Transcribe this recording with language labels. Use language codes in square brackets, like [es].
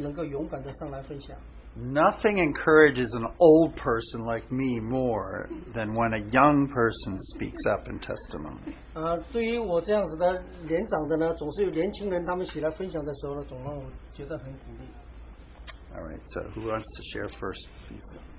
[zh] 我们特别鼓励那些没有分享过或不常分享的，如果圣灵在里面催促的话，可能有一点点害怕，但是我们请你能够勇敢的上来分享。 [en] Nothing encourages an old person like me more than when a young person speaks up in testimony. [zh] 对于我这样子的年长的呢，总是有年轻人他们起来分享的时候呢，总让我觉得很鼓励。 [en] All right, so who wants to share first, please?